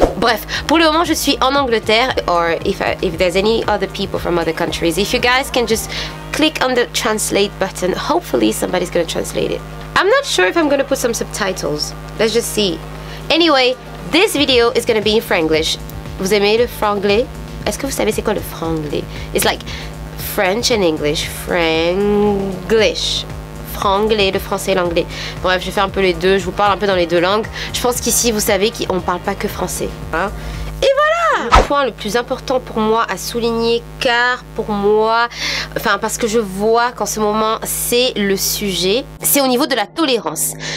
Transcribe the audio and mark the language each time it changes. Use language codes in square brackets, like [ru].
[fr] Bref, pour le moment je suis en Angleterre. [en] Or if there's any other people from other countries, if you guys can just click on the translate button, hopefully somebody's gonna translate it. I'm not sure if I'm gonna put some subtitles, let's just see. Anyway, this video is gonna be in Franglish. [fr] Vous aimez le franglais? Est-ce que vous savez c'est quoi le franglais? [en] It's like French and English. [fr] Franglish. Franglais, le français et l'anglais. Bref, je fais un peu les deux, je vous parle un peu dans les deux langues. Je pense qu'ici, vous savez qu'on parle pas que français. Hein? Et voilà! Le point le plus important pour moi à souligner, car pour moi, enfin parce que je vois qu'en ce moment, c'est le sujet, c'est au niveau de la tolérance.